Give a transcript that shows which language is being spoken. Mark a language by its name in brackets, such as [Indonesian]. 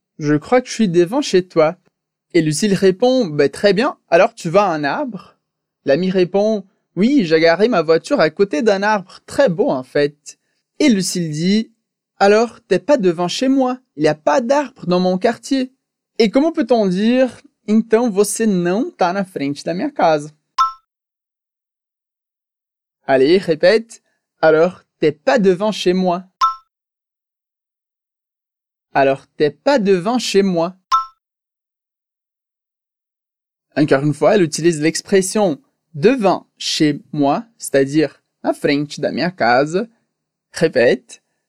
[French] Je crois que je suis devant chez toi. Et Lucille répond, bah, très bien, alors tu vois un arbre? L'ami répond, oui, j'ai garé ma voiture à côté d'un arbre très beau en fait. Et Lucille dit, Alors, t'es pas devant chez moi. Il n'y a pas d'arbre dans mon quartier. Et comment peut-on dire [Portuguese] « Então você não tá na frente da minha casa. » [French] Allez, répète. Alors, t'es pas devant chez moi. Alors, t'es pas devant chez moi. Encore une fois, elle utilise l'expression « devant chez moi », c'est-à-dire « [Portuguese] na frente da minha casa [French] ». Répète.